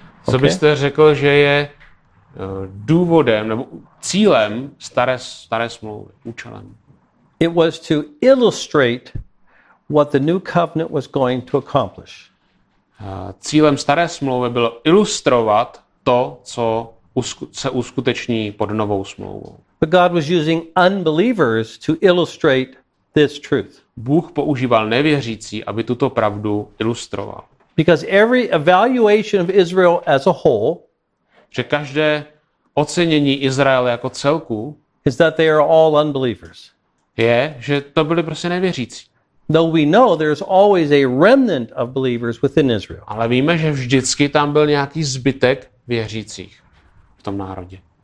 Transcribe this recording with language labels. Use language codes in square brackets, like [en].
[cs] Co byste řekl, že je důvodem nebo cílem staré smlouvy, účelem? [en] It was to illustrate what the new covenant was going to accomplish. [cs] Cílem staré smlouvy bylo ilustrovat to, co se uskuteční pod novou smlouvou. [en] But God was using unbelievers to illustrate this truth. [cs] Bůh používal nevěřící, aby tuto pravdu ilustroval. [en] Because every evaluation of Israel as a whole, [cs] že každé ocenění Izraele jako celku, [en] is that they are all unbelievers. [cs] Je, že to byli prostě nevěřící. [en] Though we know there's always a remnant of believers within Israel. [cs] Ale víme, že vždycky tam byl nějaký zbytek věřících v tom národě.